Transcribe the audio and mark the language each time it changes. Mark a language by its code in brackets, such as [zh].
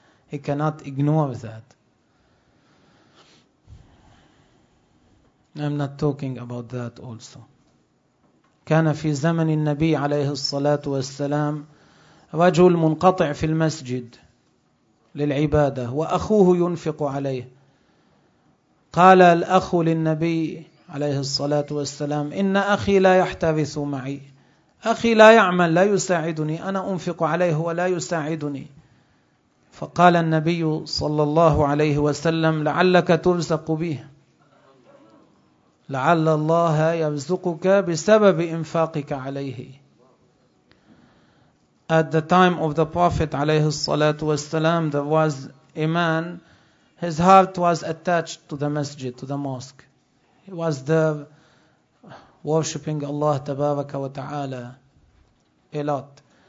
[en] He cannot ignore that. I'm not talking about that also. [ar] كان في زمن النبي عليه الصلاة والسلام رجل منقطع في المسجد للعبادة وأخوه ينفق عليه. قال الأخ للنبي عليه الصلاة والسلام إن أخي لا يحترث معي، أخي لا يعمل لا يساعدني، أنا أنفق عليه ولا يساعدني. فقال النبي صلى الله عليه وسلم لعلك ترزق به، لعل الله يرزقك بسبب إنفاقك عليه. [en] At the time of the Prophet [ar] عليه الصلاة والسلام [en] there was a man. His heart was attached to the masjid, to the mosque. He was there worshipping Allah [ar] tabaraka wa ta'ala [en] a lot.